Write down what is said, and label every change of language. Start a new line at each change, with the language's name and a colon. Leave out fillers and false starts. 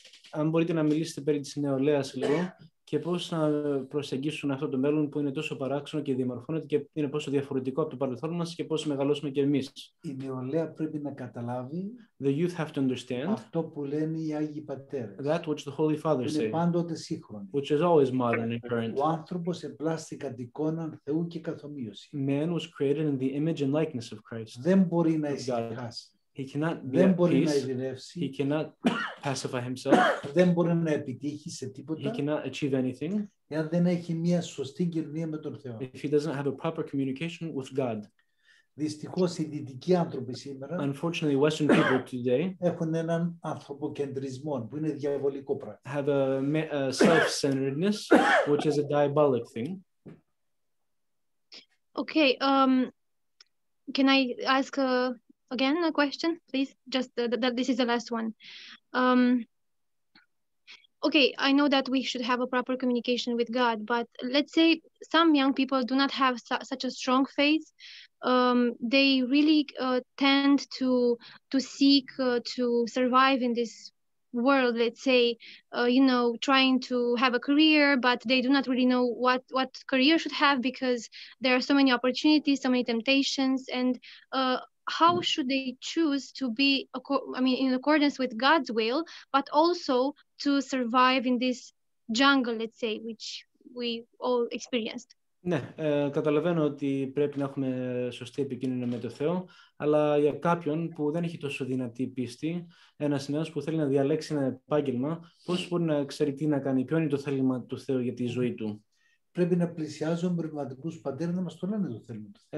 Greek: Αν μπορείτε να μιλήσετε περί της νεολαίας λίγο και πώς να προσεγγίσουν αυτό το μέλλον που είναι τόσο παράξενο και διαμορφώνεται και είναι πόσο διαφορετικό από το παρελθόν μας και πώς μεγαλώσουμε και εμείς. Η νεολαία πρέπει να καταλάβει
English: the youth have to understand
Greek: αυτό που λένε οι Άγιοι Πατέρες.
English: That which the Holy Fathers
Greek: είναι
English: say.
Greek: Είναι πάντοτε σύγχρονη.
English: Which is always modern and current.
Greek: Ο άνθρωπος εμπλάστη κατοικώναν Θεού και καθομοίωση.
English: Man was created in the image and likeness of Christ.
Greek: Δεν μπορεί να ησυχάσει.
English: He cannot be at peace. He cannot pacify himself.
Greek: Δεν μπορεί να επιτύχει σε τίποτα.
English: He cannot achieve anything.
Greek: Εάν δεν έχει μια σωστή κοινωνία με τον Θεό.
English: If he doesn't have a proper communication with God.
Greek: Δυστυχώς οι δυτικοί άνθρωποι σήμερα.
English: Unfortunately, Western people today.
Greek: Έχουν έναν ανθρωποκεντρισμό που είναι διαβολικό πράγμα.
English: Have a self-centeredness, which is a diabolic thing. Okay. Can I ask again, a question, please. Just that this is the last one. Okay, I know that we should have a proper communication with God, but let's say some young people do not have such a strong faith. They really tend to seek to survive in this world, let's say, you know, trying to have a career, but they do not really know what career should have because there are so many opportunities, so many temptations, and how should they choose to be, in accordance with God's will, but also to survive in this jungle, let's say, which we all experienced?
Greek: Ναι, καταλαβαίνω ότι πρέπει να έχουμε σωστή επικοινωνία με τον Θεό, αλλά για κάποιον που δεν έχει τόσο δυνατή πίστη, ένας νέος που θέλει να διαλέξει ένα επάγγελμα, πώς μπορεί να ξέρει τι να κάνει, ποιο είναι το θέλημα του Θεού για τη ζωή του? Πρέπει να πλησιάζουμε πνευματικούς πατέρες να μας το λένε το θέλημα.